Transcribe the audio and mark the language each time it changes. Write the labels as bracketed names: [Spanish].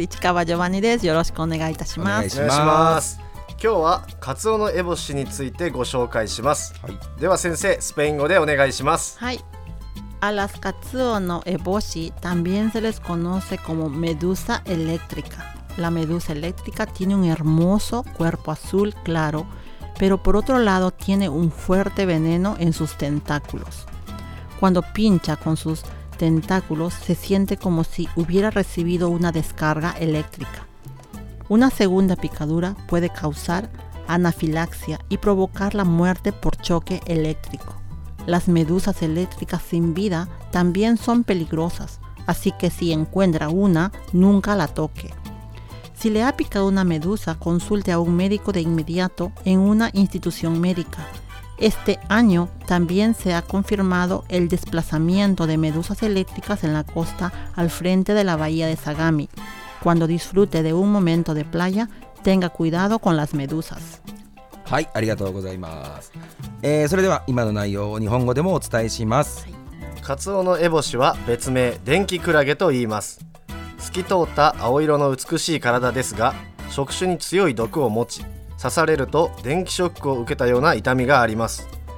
[Japanese] 市川ジョバンニです。よろしくお願いいたします。お願いします。今日はカツオのエボシについてご紹介します、はい、では先生スペイン語でお願いします。はい。 [Spanish] A las cazuo no eboshi también se les conoce como medusa eléctrica. La medusa eléctrica tiene un hermoso cuerpo azul claro, pero por otro lado tiene un fuerte veneno en sus tentáculos. Cuando pincha con sus tentáculos se siente como si hubiera recibido una descarga eléctrica. Una segunda picadura puede causar anafilaxia y provocar la muerte por choque eléctrico. Las medusas eléctricas sin vida también son peligrosas, así que si encuentra una, nunca la toque. Si le ha picado una medusa, consulte a un médico de inmediato en una institución médica. Este año también se ha confirmado el desplazamiento de medusas eléctricas en la costa al frente de la bahía de Sagami. Cuando disfrute de un momento de playa, tenga cuidado con las medusas. [Japanese] はい、ありがとうございます、それでは今の内容を日本語でもお伝えします。カツオのエボシは別名電気クラゲと言います。透き通った青色の美しい体ですが、触手に強い毒を持ち、刺されると電気ショックを受けたような痛みがあります。